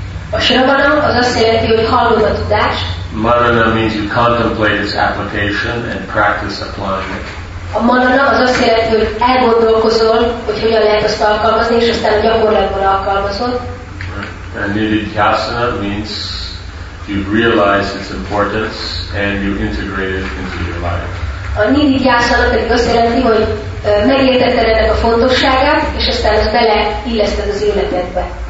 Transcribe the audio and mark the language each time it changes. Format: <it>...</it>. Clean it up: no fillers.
<hu>A shravana az azt jelenti, hogy hallod a tudást.</hu> <en>Manana means you contemplate its application and practice applying it.</en> <hu>A manana az azt jelenti, hogy elgondolkozol, hogy hogyan lehet azt alkalmazni, és aztán a gyakorlatban alkalmazod.</hu> <en>And nididhyasana means you realize its importance and you integrate it into your life.</en> <hu>A nididhyasana pedig azt jelenti, hogy megértetted ennek a fontosságát, és aztán azt beleilleszted az életedbe.</hu>